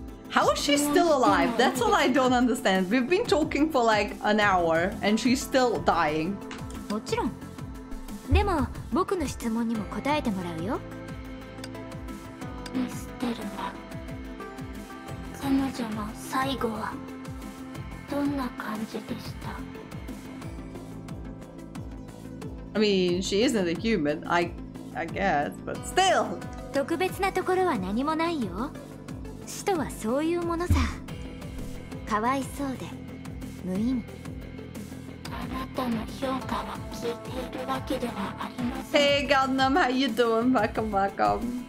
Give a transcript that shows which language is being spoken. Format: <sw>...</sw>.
<en>How is she still alive? That's all I don't understand. We've been talking for like an hour and she's still dying.</en> <ja>もちろん。でも僕の質問にも答えてもらうよ。見捨てるわ。彼女の最後はどんな感じでした？</ja> <en>I mean, she isn't a human, I guess, but still!</en> <ja>特別なところは何もないよ。死とはそういうものさ。かわいそうで、無意味。あなたの評価は聞いているわけではありません。</ja> <en>Hey, Gundam, how you doing? Welcome, welcome.</en>